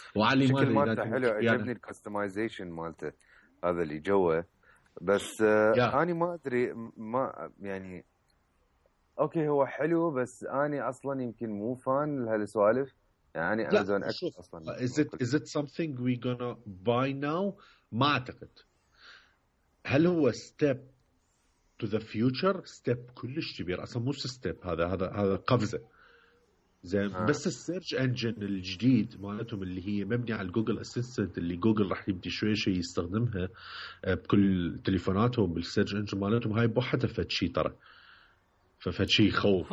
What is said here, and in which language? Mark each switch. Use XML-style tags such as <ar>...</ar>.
<ar>وعلي مالته حلو، عجبني يعني الكستمايزيشن مالته هذا اللي جوه، بس أنا ما أدري، ما يعني أوكي هو حلو، بس أنا أصلاً يمكن مو فان لهالسوالف يعني. أمازون أصلاً</ar> <en>is it something we gonna buy now؟</en> <ar>ما أعتقد. هل هو</ar> <en>step to the future؟</en> <ar>step كلش كبير أصلاً، مو step، هذا قفزة زين. بس السيرش انجن الجديد مالتهم اللي هي مبني على جوجل اسيستنت، اللي جوجل راح يبدي شوي شوي يستخدمها بكل تليفوناتهم بالسيرش انجن مالتهم، هاي بوحدها فد شيء ترى، ففد شيء يخوف.</ar>